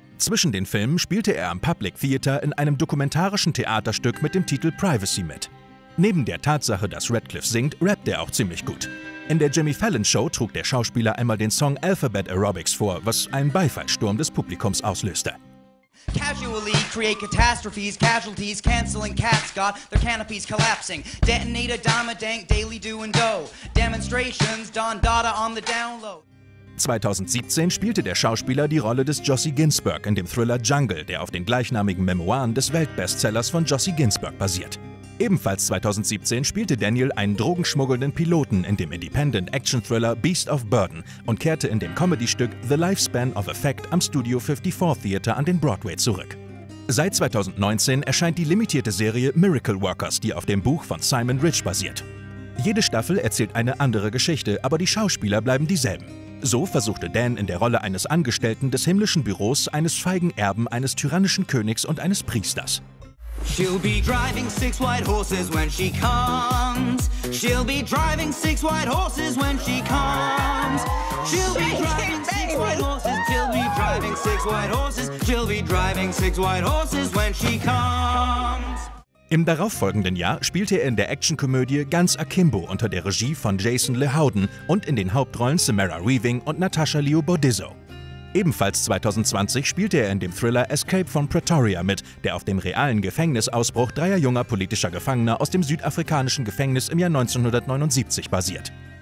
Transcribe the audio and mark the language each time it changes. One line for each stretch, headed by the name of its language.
German: Zwischen den Filmen spielte er am Public Theater in einem dokumentarischen Theaterstück mit dem Titel Privacy mit. Neben der Tatsache, dass Radcliffe singt, rappt er auch ziemlich gut. In der Jimmy Fallon Show trug der Schauspieler einmal den Song Alphabet Aerobics vor, was einen Beifallssturm des Publikums auslöste.
English: Casually create catastrophes, casualties, canceling cats got their canopies collapsing. Detonate a dime a dank, daily do and do. Demonstrations, Don Dada on the download.
German: 2017 spielte der Schauspieler die Rolle des Jossie Ginsberg in dem Thriller Jungle, der auf den gleichnamigen Memoiren des Weltbestsellers von Jossie Ginsberg basiert. Ebenfalls 2017 spielte Daniel einen drogenschmuggelnden Piloten in dem Independent-Action-Thriller Beast of Burden und kehrte in dem Comedy-Stück The Lifespan of Effect am Studio 54 Theater an den Broadway zurück. Seit 2019 erscheint die limitierte Serie Miracle Workers, die auf dem Buch von Simon Rich basiert. Jede Staffel erzählt eine andere Geschichte, aber die Schauspieler bleiben dieselben. So versuchte Dan in der Rolle eines Angestellten des himmlischen Büros, eines feigen Erben, eines tyrannischen Königs und eines Priesters.
English: She'll be driving six white horses when she comes. She'll be driving six white horses when she comes. She'll be driving six white horses. She'll be driving six white horses. She'll be driving six white horses when she comes.
German: Im darauffolgenden Jahr spielte er in der Actionkomödie Ganz Akimbo unter der Regie von Jason Le Howden und in den Hauptrollen Samara Weaving und Natasha Leo Bordizzo. Ebenfalls 2020 spielte er in dem Thriller Escape from Pretoria mit, der auf dem realen Gefängnisausbruch dreier junger politischer Gefangener aus dem südafrikanischen Gefängnis im Jahr 1979 basiert.